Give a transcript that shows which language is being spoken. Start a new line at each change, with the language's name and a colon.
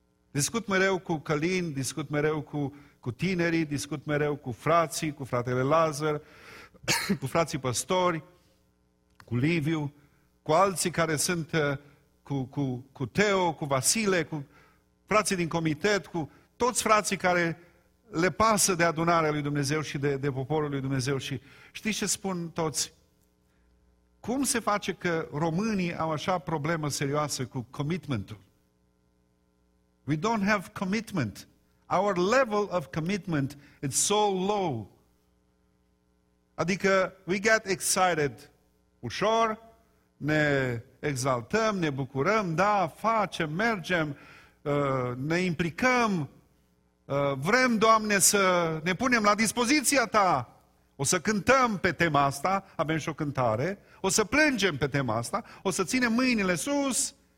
Romanian: Discut mereu cu Călin, discut mereu cu tinerii, discut mereu cu frații, cu fratele Lazar, cu frații păstori, cu Liviu, cu alții care sunt cu Teo, cu Vasile, cu frații din comitet, cu toți frații care le pasă de adunarea lui Dumnezeu și de poporul lui Dumnezeu. Și știți ce spun toți? Cum se face că românii au așa problemă serioasă cu commitment-ul?
English: We don't have commitment. Our level of commitment is so low.
Romanian: Adică
English: we get excited
Romanian: ușor, ne exaltăm, ne bucurăm, da, facem, mergem, ne implicăm, vrem, Doamne, să ne punem la dispoziția Ta. O să cântăm pe tema asta, avem și o cântare, o să plângem pe tema asta, o să ținem mâinile sus.